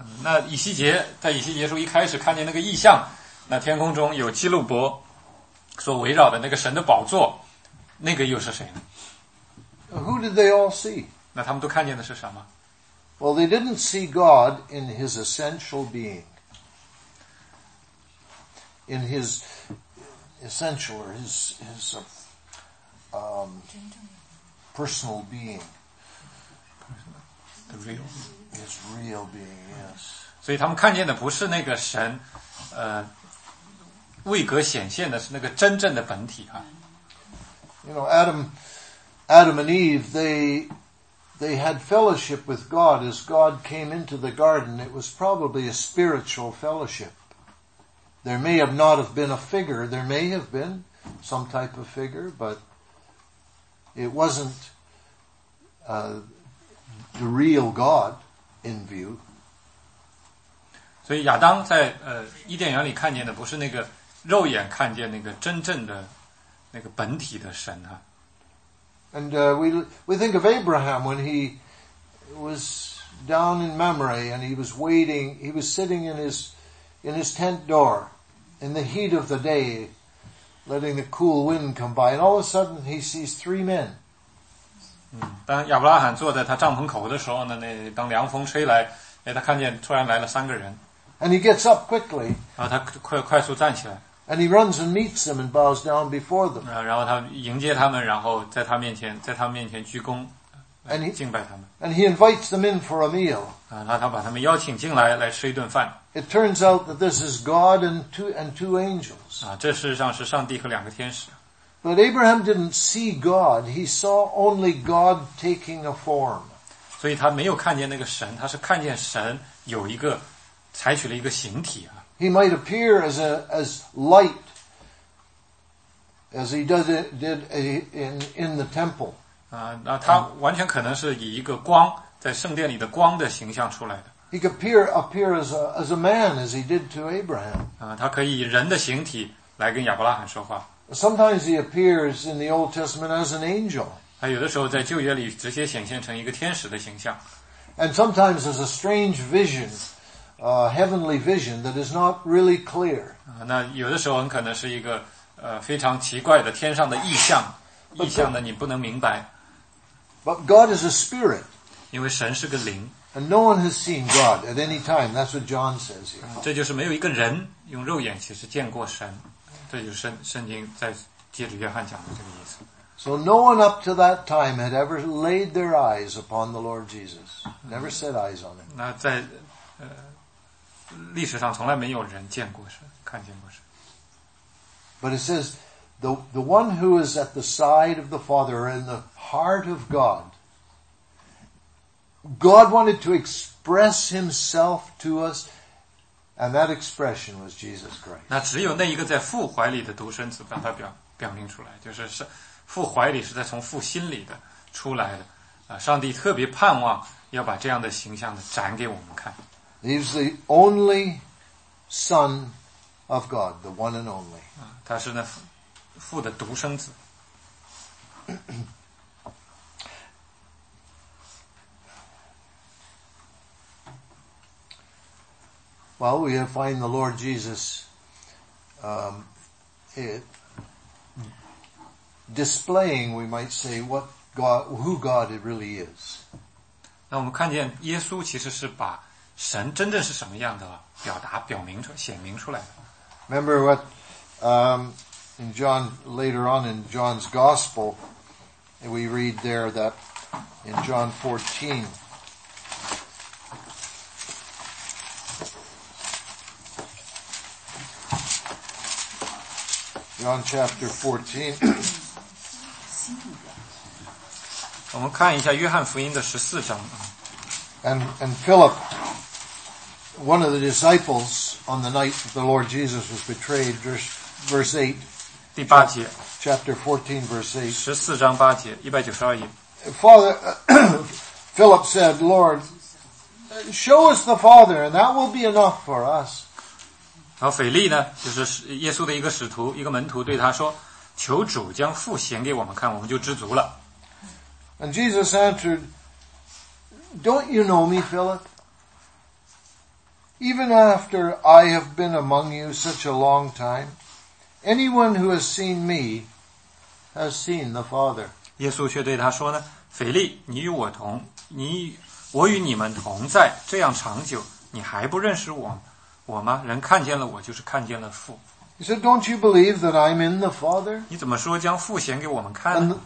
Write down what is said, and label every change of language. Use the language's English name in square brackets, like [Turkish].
[Chinese] 那以西结在以西结书一开始看见那个异象，那天空中有基路伯所围绕的那个神的宝座，那个又是谁呢？ [English] Who did they all see? [Chinese] 那他们都看见的是什么？ [English] Well, they didn't see God in his essential being. In his essential or his personal being. The real. His real being, yes. [Chinese] 所以他们看见的不是那个神，位格显现的是那个真正的本体啊。 [English] You know, Adam and Eve, they had fellowship with God as God came into the garden. It was probably a spiritual fellowship. There may have not have been a figure. There may have been some type of figure, but it wasn't, the real God in view. [Chinese] 所以亚当在伊甸园里看见的不是那个肉眼看见那个真正的那个本体的神啊。 [English] And we think of Abraham when he was down in Mamre and he was waiting, he was sitting in his tent door in the heat of the day, letting the cool wind come by, and all of a sudden he sees three men. [Chinese] 当亚伯拉罕坐在他帐篷口的时候呢，那当凉风吹来，哎，他看见突然来了三个人。 [English] And he gets up quickly. [Chinese] 然后他快速站起来。 [English] And he runs and meets them and bows down before them. [Chinese] 然后他迎接他们，然后在他面前鞠躬，敬拜他们。 [English] And he invites them in for a meal. [Chinese] 然后他把他们邀请进来，来吃一顿饭。 [English] It turns out that this is God and two angels. [Chinese] 这事实上是上帝和两个天使。 [English] But Abraham didn't see God. He saw only God taking a form. [Chinese] 所以他没有看见那个神，他是看见神有一个采取了一个形体啊。 [English] He might appear as light, as he did in the temple. [Chinese] 那他完全可能是以一个光，在圣殿里的光的形象出来的。 [English] He could appear as a man, as he did to Abraham. [Chinese] 他可以以人的形体来跟亚伯拉罕说话。 [English] Sometimes he appears in the Old Testament as an angel. [Chinese] 他有的时候在旧约里直接显现成一个天使的形象。 [English] And sometimes as a strange vision. Heavenly vision that is not really clear. [Chinese] 那有的时候很可能是一个非常奇怪的天上的异象，异象呢你不能明白。 [English] But God is a spirit. [Chinese] 因为神是个灵。 [English] And no one has seen God at any time. That's what John says here. [Chinese] 这就是没有一个人用肉眼其实见过神。这就是圣经在接着约翰讲的这个意思。 [English] So no one up to that time had ever laid their eyes upon the Lord Jesus. Never set eyes on him. [Chinese] 那在历史上从来没有人见过神，看见过神。 [English] But it says, the one who is at the side of the Father or in the heart of God, God wanted to express himself to us, and that expression was Jesus Christ. [Chinese] 那只有那一个在父怀里的独生子把它表明出来，就是父怀里是在从父心里的出来的，上帝特别盼望要把这样的形象的展给我们看。 [English] He's the only Son of God, the one and only. [Chinese] 他是那父的独生子。 [English] Well, we find the Lord Jesus, displaying, we might say, what God, who God it really is. [Chinese] 那我们看见耶稣其实是把神真正是什么样的表达表明出显明出来的。 [English] Remember what, in John, later on in John's Gospel, we read there that in John 14, John chapter 14. [Chinese] 我们看一下约翰福音的十四章。 [English] And Philip, one of the disciples on the night the Lord Jesus was betrayed, verse 8. [Chinese] 第八节。 [English] Chapter 14, verse 8. [Chinese] 十四章八节，一百九十二页。 [English] Father, Philip said, Lord, show us the Father, and that will be enough for us. [Chinese] 然后腓力呢，就是耶稣的一个使徒，一个门徒，对他说：“求主将父显给我们看，我们就知足了。” [English] And Jesus answered, "Don't you know me, Philip? Even after I have been among you such a long time, anyone who has seen me has seen the Father." [Chinese] 耶稣却对他说呢：“腓力，你与我同，我与你们同在这样长久，你还不认识我？” 我吗？人看见了我，就是看见了父。 [English] He said, "Don't you believe that I'm in the Father?" [Chinese] 你怎么说将父显给我们看呢